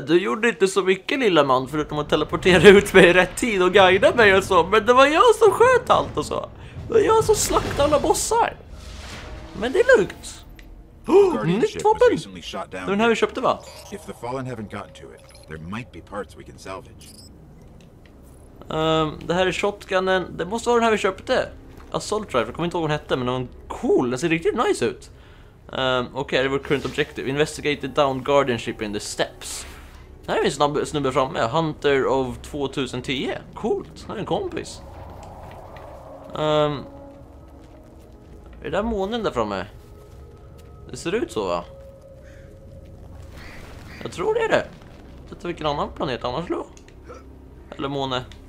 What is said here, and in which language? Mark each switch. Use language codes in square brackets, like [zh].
[sv] Du gjorde inte så mycket lilla man förutom att teleportera ut mig i rätt tid och guida mig och så. Men det var jag som sköt allt och så. Det var jag som slaktade alla bossar. Men det är lugnt. Nytt vapen! Det var den här vi köpte va? [en] If the fallen haven't gotten to it, there might be parts we can salvage. [sv] Det här är shotgunen. Det måste vara den här vi köpte. Assault Rifle, jag kommer inte ihåg vad hon hette, men någon cool, den ser riktigt nice ut. Okej, det var current objective. [en] Investigate the downed guardian ship in the steps. [sv] Här är vi snubbe framme, Hunter of 2010. Coolt, här är en kompis. Är det där månen där framme? Det ser ut så va? Jag tror det är det. Detta vilken annan planet annars då? Eller måne?